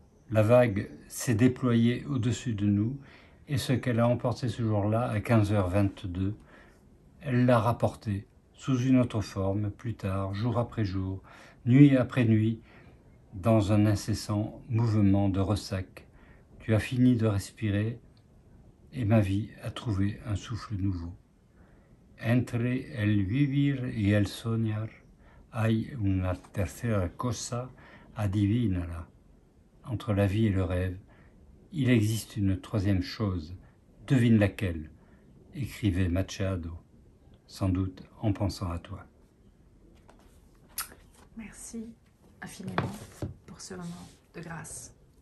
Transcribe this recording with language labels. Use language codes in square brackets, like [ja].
[fr] La vague s'est déployée au-dessus de nous et ce qu'elle a emporté ce jour-là à 15h22, elle l'a rapporté sous une autre forme, plus tard, jour après jour, nuit après nuit, dans un incessant mouvement de ressac. Tu as fini de respirer et ma vie a trouvé un souffle nouveau. [es] Entre el vivir y el soñar hay una tercera cosa adivinala. [fr] Entre la vie et le rêve, il existe une troisième chose. Devine laquelle, écrivait Machado, sans doute en pensant à toi. Merci infiniment pour ce moment de grâce.